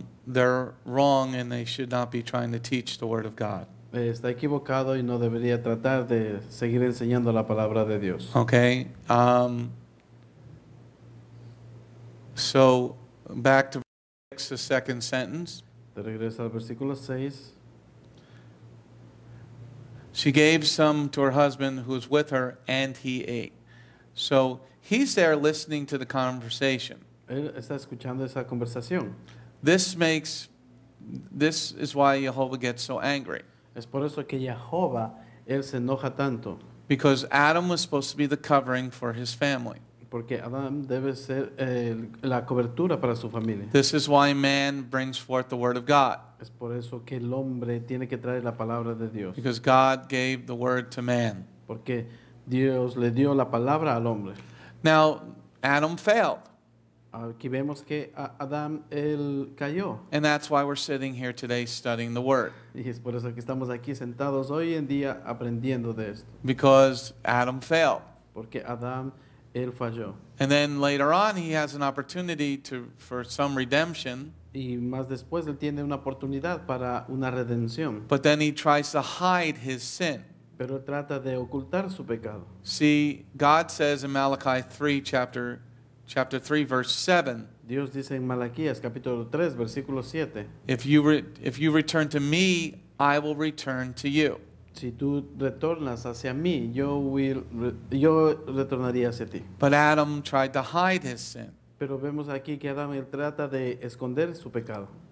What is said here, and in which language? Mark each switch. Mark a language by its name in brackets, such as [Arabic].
[English] They're wrong and they should not be trying to teach the word of God. [Spanish] Está equivocado y no debería tratar de seguir enseñando la palabra de Dios. [English] Okay. So back to the second sentence. [Spanish] De regreso al versículo 6. [English] She gave some to her husband who was with her and he ate. So he's there listening to the conversation. [Spanish] Él está escuchando esa conversación. [English] This is why Jehovah gets so angry. [Spanish] Es por eso que Jehovah, él se enoja tanto. [English] Because Adam was supposed to be the covering for his family. [Spanish] Porque Adam debe ser la cobertura para su familia. [English] This is why man brings forth the word of God. [Spanish] Es por eso que el hombre tiene que traer la palabra de Dios. [English] Because God gave the word to man. [Spanish] Porque Dios le dio la palabra al hombre. [English] Now, Adam failed. [Spanish] Aquí vemos que Adam, él cayó. [English] And that's why we're sitting here today studying the word. [Spanish] Y es por eso que estamos aquí sentados hoy en día aprendiendo de esto. [English] Because Adam failed. [Spanish] Porque Adam, él falló. [English] And then later on, he has an opportunity for some redemption. [Spanish] Y más después, él tiene una oportunidad para una redención. [English] But then he tries to hide his sin. [Spanish] Pero trata de ocultar su pecado. [English] See, God says in Malachi 3, chapter 3, verse 7. [Spanish] Dios dice en Malaquías, capítulo 3, versículo 7. [English] If you return to me, I will return to you. [Spanish] Si tú retornas hacia mí, yo retornaría hacia ti. [English] But Adam tried to hide his sin. [Spanish] Pero vemos aquí que Adam trata de esconder su pecado.